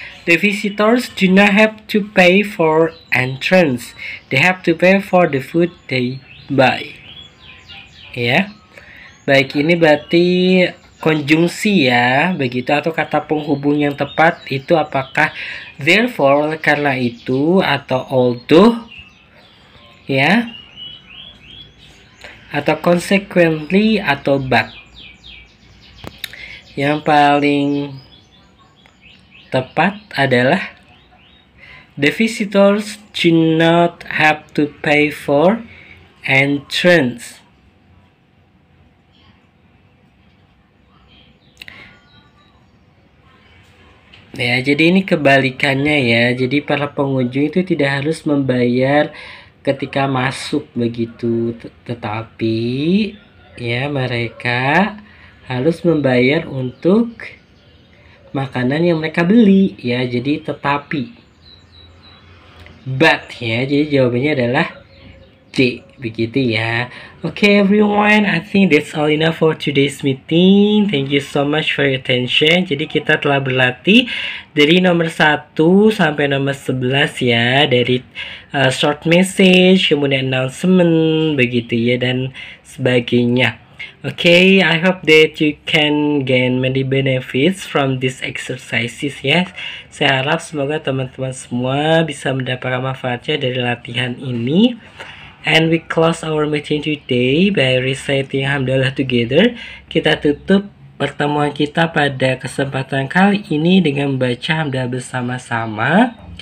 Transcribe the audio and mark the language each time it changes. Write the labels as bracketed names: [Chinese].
[English] The visitors do not have to pay for entrance. They have to pay for the food they buy. [Indonesian] Ya. Baik, ini berarti konjungsi ya, begitu, atau kata penghubung yang tepat itu apakah therefore, karena itu, atau although, ya, atau consequently, atau but. Yang paling tepat adalah [English] the visitors do not have to pay for entrance. [Indonesian] Ya, jadi ini kebalikannya ya. Jadi para pengunjung itu tidak harus membayar ketika masuk begitu, tetapi ya mereka harus membayar untuk makanan yang mereka beli ya. Jadi tetapi, but ya. Jadi jawabannya adalah C begitu ya. [English] Okay everyone, I think that's all enough for today's meeting. Thank you so much for your attention. [Indonesian] Jadi kita telah berlatih dari nomor 1 sampai nomor 11 ya, dari short message, kemudian announcement begitu ya, dan sebagainya. [English] Okay, I hope that you can gain many benefits from these exercises ya. [Indonesian] Saya harap semoga teman-teman semua bisa mendapatkan manfaatnya dari latihan ini. [English] And we close our meeting today by reciting Alhamdulillah together. [Indonesian] Kita tutup pertemuan kita pada kesempatan kali ini dengan membaca Alhamdulillah bersama-sama.